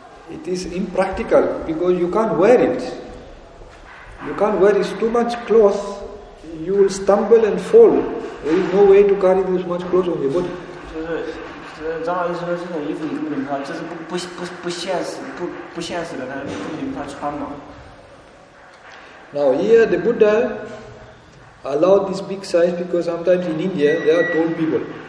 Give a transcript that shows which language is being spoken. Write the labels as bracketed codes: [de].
[en] It is impractical because you can't wear it. You can't wear too much cloth, you will stumble and fall. There is no way to carry this much cloth on your body. [zh] 就是，张老师说这种衣服你根本没法，这是不现实，不现实的，但是你没法穿嘛。 [en] Now here the Buddha allowed this big size because sometimes in India there are tall people.